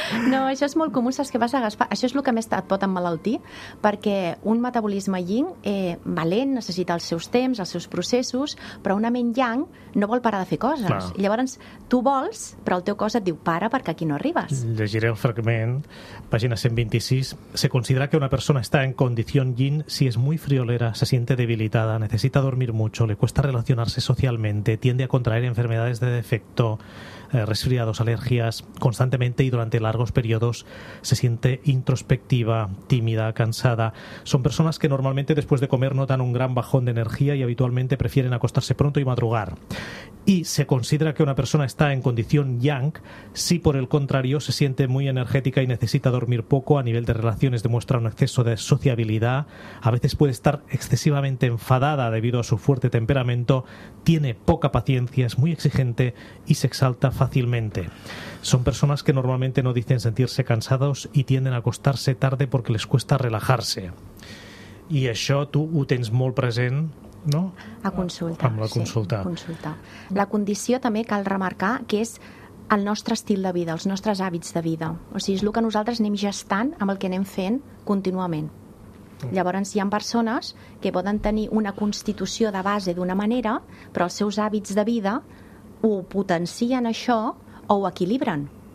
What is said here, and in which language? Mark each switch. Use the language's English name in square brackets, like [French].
[Catalan] No, això és molt comú, saps que vas a gaspar. Això és el que més et pot emmalaltir, perquè un metabolisme yin, valent, necessita els seus temps, els seus processos, però una ment yang no vol parar de fer coses. Clar. I llavors, tu vols, però el teu cos et diu para perquè aquí no arribes. Llegiré el fragment, pàgina 126. [Spanish] Se considera que una persona está en condición yin si es muy friolera, se siente debilitada, necesita dormir mucho, le cuesta relacionarse socialmente, tiende a contraer enfermedades de defecto, resfriados, alergias, constantemente y durante largos periodos se siente introspectiva, tímida, cansada. Son personas que normalmente después de comer notan un gran bajón de energía y habitualmente prefieren acostarse pronto y madrugar. Y se considera que una persona está en condición yang si por el contrario se siente muy energética y necesita dormir poco. A nivel de relaciones demuestra un exceso de sociabilidad, a veces puede estar excesivamente enfadada debido a su fuerte temperamento, tiene poca paciencia, es muy exigente y se exalta fácilmente. Son personas que normalmente no dicen sentirse cansados y tienden a acostarse tarde porque les cuesta relajarse. [Catalan] I això tu ho tens molt present, no? A consulta. Amb la consulta. Sí, consulta. La condició també cal remarcar que és el nostre estil de vida, els nostres hàbits de vida. O sigui, és el que nosaltres anem gestant amb el que anem fent contínuament. Llavors, hi ha persones que poden tenir una constitució de base d'una manera, però els seus hàbits de vida ho potencien això o ho equilibren.